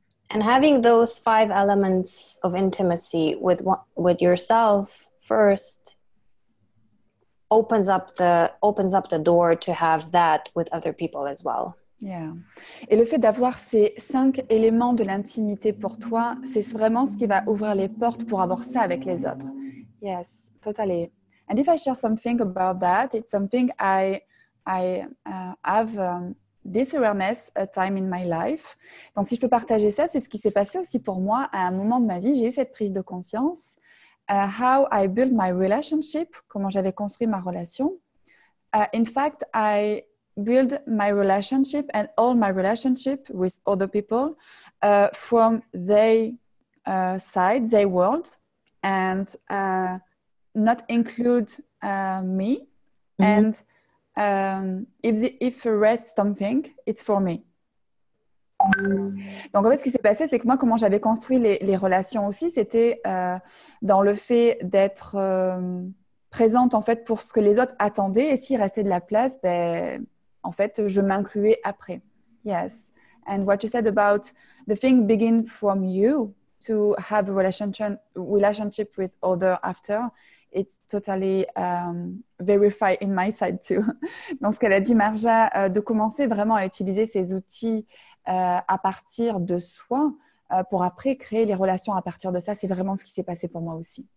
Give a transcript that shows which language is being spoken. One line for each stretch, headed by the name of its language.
English: And having those five elements of intimacy with yourself first opens up the door to have that with other people as well. Yeah.
French: Et le fait d'avoir ces cinq éléments de l'intimité pour toi, c'est vraiment ce qui va ouvrir les portes pour avoir ça avec les autres.
English: Yes, totally. And if I share something about that, it's something I have this awareness a time in my life.
French: Donc si je peux partager ça, c'est ce qui s'est passé aussi pour moi à un moment de ma vie. J'ai eu cette prise de conscience.
English: How I built my relationship,
French: comment j'avais construit ma relation.
English: In fact, I build my relationship and all my relationship with other people from their side, their world, and not include me. Mm-hmm. And if the rest something, it's for me.
French: Donc en fait, ce qui s'est passé, c'est que moi, comment j'avais construit les relations aussi, c'était dans le fait d'être présente en fait pour ce que les autres attendaient, et s'il restait de la place, ben en fait, je m'incluais après.
English: Yes. And what you said about the thing begin from you to have a relationship with other after, it's totally verified in my side too.
French: Donc, ce qu'elle a dit, Marja, de commencer vraiment à utiliser ces outils à partir de soi pour après créer les relations à partir de ça, c'est vraiment ce qui s'est passé pour moi aussi.